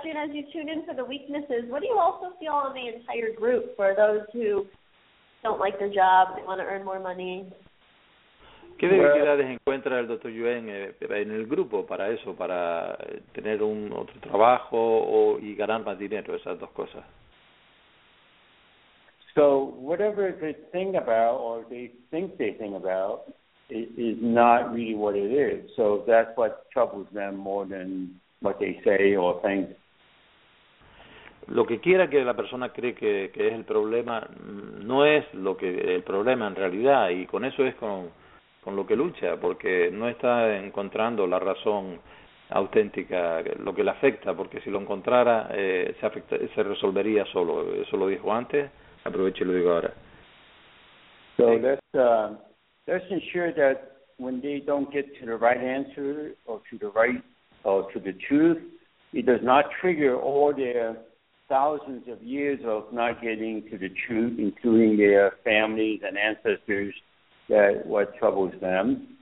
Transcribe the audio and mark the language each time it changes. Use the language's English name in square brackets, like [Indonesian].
[English] Jean, as you tune in for the weaknesses, what do you also feel on the entire group for those who don't like their job, they want to earn more money? [Spanish] ¿Qué debilidades encuentra el doctor Yuen en el grupo para eso, para tener un otro trabajo y ganar más dinero, esas dos cosas? [English] So, whatever they think about or they think they think about is not really what it is. So, that's what troubles them more than what they say or think. [Spanish] lo que quiera que la persona cree que es el problema, no es lo que el problema en realidad, y con eso es con lo que lucha, porque no está encontrando la razón auténtica, lo que le afecta, porque si lo encontrara, se resolvería solo. Eso lo dijo antes, aprovecho y lo digo ahora. [English] So let's ensure that when they don't get to the right answer or to the right or to the truth, it does not trigger all their thousands of years of not getting to the truth, including their families and ancestors, that what troubles them.